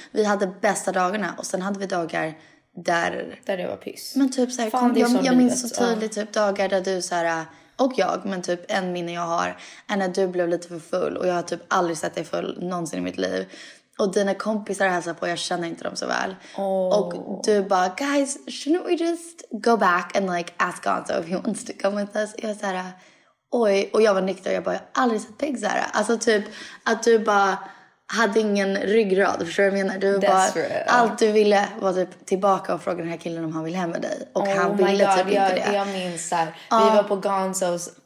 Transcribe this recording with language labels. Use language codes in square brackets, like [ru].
[sv] Vi hade bästa dagarna, och sen hade vi dagar... Där det var piss. Men typ så här, fan, jag minns så tydligt typ dagar där du så här, och jag, men typ en minne jag har är när du blev lite för full och jag har typ aldrig sett dig full någonsin i mitt liv. Och dina kompisar hälsar på, jag känner inte dem så väl. Oh. Och du bara, [en] guys, shouldn't we just go back and like ask Gonzo if he wants to come with us? [sv] Jag så här, oj, och jag var nykter, jag bara, jag har aldrig sett pigg så här. Alltså typ att du bara hade ingen ryggrad, förstår du vad jag menar? Du var bara, [en] right. [sv] Allt du ville var typ tillbaka och fråga den här killen om han vill hem med dig. Och oh han ville [en] God, [sv] typ inte jag, det. Jag minns så här, vi var på Gonzos